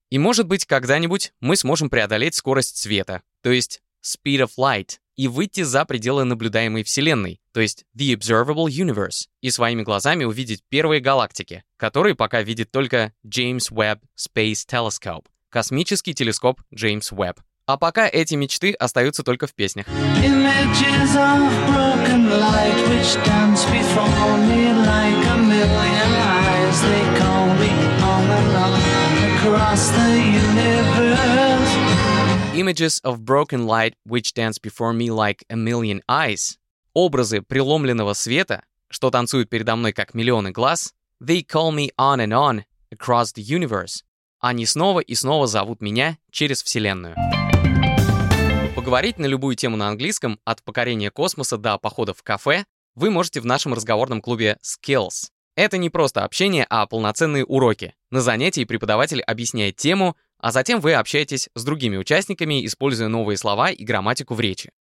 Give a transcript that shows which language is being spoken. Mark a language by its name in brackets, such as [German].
[Russian] И, может быть, когда-нибудь мы сможем преодолеть скорость света, то есть [English] speed of light, [Russian] и выйти за пределы наблюдаемой Вселенной, то есть [English] the observable universe, [Russian] и своими глазами увидеть первые галактики, которые пока видит только James Webb Space Telescope, космический телескоп Джеймс Уэбб. А пока эти мечты остаются только в песнях. [English] Images of broken light which dance before me like a million eyes. [Russian] Образы преломленного света, что танцуют передо мной как миллионы глаз. [English] They call me on and on across the universe. [Russian] Они снова и снова зовут меня через вселенную. Поговорить на любую тему на английском, от покорения космоса до похода в кафе, вы можете в нашем разговорном клубе Skills. Это не просто общение, а полноценные уроки. На занятии преподаватель объясняет тему, а затем вы общаетесь с другими участниками, используя новые слова и грамматику в речи.